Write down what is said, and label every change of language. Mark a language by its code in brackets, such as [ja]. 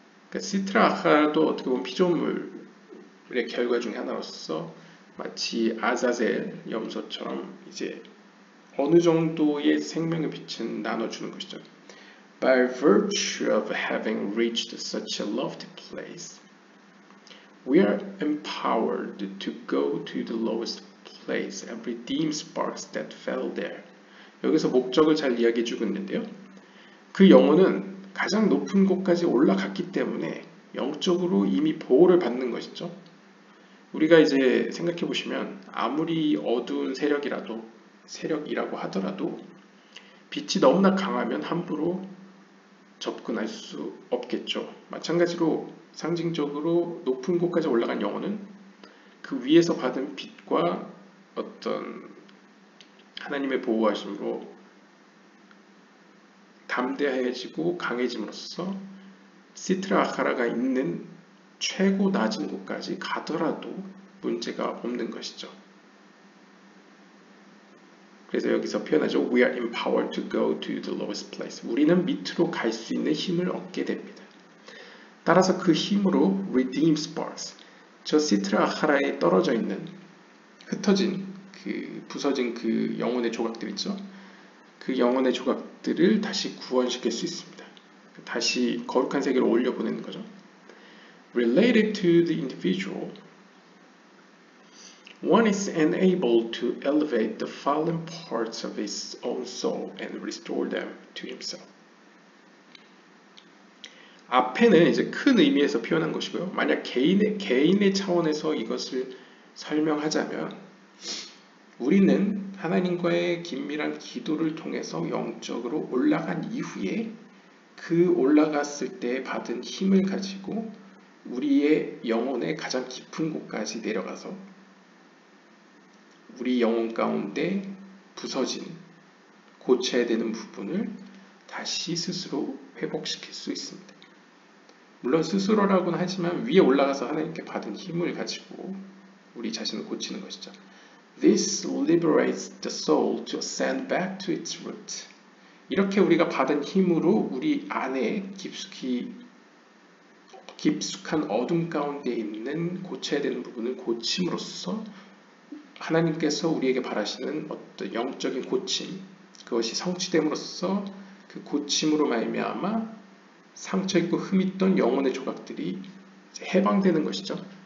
[ko] 그 시트라하라도 어떻게 보면 피조물의 결과 중에 하나로서 마치 아자젤 염소처럼 이제 어느 정도의 생명의 빛은 나눠주는 것이죠. [en] By virtue of having reached such a lofty place, we are empowered to go to the lowest place and redeem sparks that fell there. [ko] 여기서 목적을 잘 이야기해 주고 있는데요. 그 영혼은 가장 높은 곳까지 올라갔기 때문에 영적으로 이미 보호를 받는 것이죠. 우리가 이제 생각해 보시면 아무리 어두운 세력이라고 하더라도 빛이 너무나 강하면 함부로 접근할 수 없겠죠. 마찬가지로 상징적으로 높은 곳까지 올라간 영혼은 그 위에서 받은 빛과 어떤 하나님의 보호하심으로 담대해지고 강해짐으로써 시트라아카라가 있는 최고 낮은 곳까지 가더라도 문제가 없는 것이죠. 그래서 여기서 표현하죠. [en] We are empowered to go to the lowest place. [ko] 우리는 밑으로 갈수 있는 힘을 얻게 됩니다. 따라서 그 힘으로 [en] redeem sparks. [ko] 저 시트라하라에 떨어져 있는 흩어진 그 부서진 그 영혼의 조각들 있죠. 그 영혼의 조각들을 다시 구원시킬 수 있습니다. 다시 거룩한 세계로 올려보내는 거죠. [en] Related to the individual. One is enabled to elevate the fallen parts of his own soul and restore them to himself. [ko] 앞에는 이제 큰 의미에서 표현한 것이고요. 만약 개인의 차원에서 이것을 설명하자면, 우리는 하나님과의 긴밀한 기도를 통해서 영적으로 올라간 이후에 그 올라갔을 때 받은 힘을 가지고 우리의 영혼의 가장 깊은 곳까지 내려가서 우리 영혼 가운데 부서진, 고쳐야 되는 부분을 다시 스스로 회복시킬 수 있습니다. 물론 스스로라고는 하지만 위에 올라가서 하나님께 받은 힘을 가지고 우리 자신을 고치는 것이죠. [en] This liberates the soul to ascend back to its root. [ko] 이렇게 우리가 받은 힘으로 우리 안에 깊숙한 어둠 가운데 있는 고쳐야 되는 부분을 고침으로써 하나님께서 우리에게 바라시는 어떤 영적인 고침, 그것이 성취됨으로써 그 고침으로 말미암아 상처 있고 흠있던 영혼의 조각들이 해방되는 것이죠.